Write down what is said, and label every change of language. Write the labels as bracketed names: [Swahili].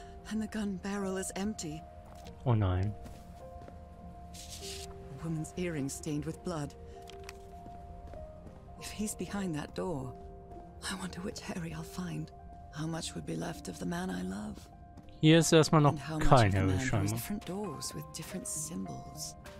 [English] And the gun barrel is empty. [German] Oh nein. [English] A woman's earring stained with blood. If he's behind that door, I wonder which Harry I'll find. How much would be left of the man I love? [German] Hier ist erstmal noch kein Harry scheinbar. [English] Different doors with different symbols.